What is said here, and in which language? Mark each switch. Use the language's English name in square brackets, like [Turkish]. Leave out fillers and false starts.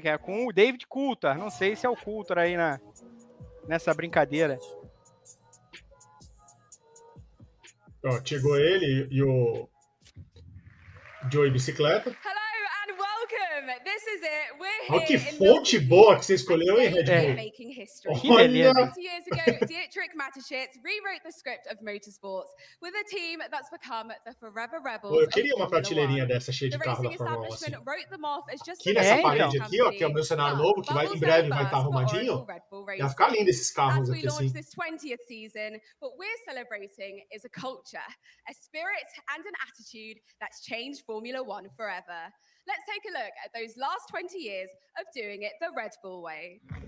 [Portuguese] Que é com o David Coulthard. Não sei se é o Coulthard aí nessa brincadeira. Ó, chegou ele e o Joey Bicicleta. [English] Hello! This is it. We're here. [Portuguese] Olha que fonte boa que você escolheu, hein, Red Bull? [English] Dietrich Mateschitz rewrote the script of Motorsports with a team that's become the Forever Rebels. [Portuguese] Eu queria uma prateleirinha dessa cheia de carro da Fórmula 1. Assim. Aqui nessa parede aqui, ó, que é o meu cenário novo, que vai em breve vai estar arrumadinho. Vai ficar lindo esses carros aqui assim. [English] This 20th season, what we're celebrating is a culture, a spirit and an attitude that's changed Formula 1 forever. Let's take a look at those last 20 years of doing it the Red Bull way.